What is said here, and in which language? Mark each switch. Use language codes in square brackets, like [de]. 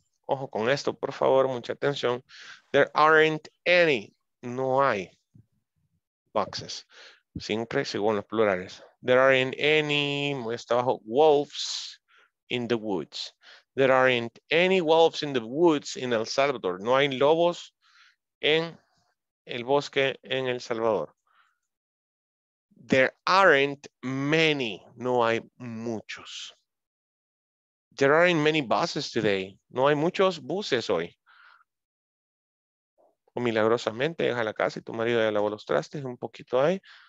[es] Ojo con esto, por favor, mucha atención. [en] There aren't any. [es] No hay boxes. Siempre según los plurales. [en] There aren't any, [es] muy hasta abajo, [en] wolves in the woods. There aren't any wolves in the woods in El Salvador. [es] No hay lobos en el bosque en El Salvador. [en] There aren't many. [es] No hay muchos. [en] There aren't many buses today. [es] No hay muchos buses hoy. o milagrosamente llegas a la casa y tu marido ya lavó los trastes un poquito ahí.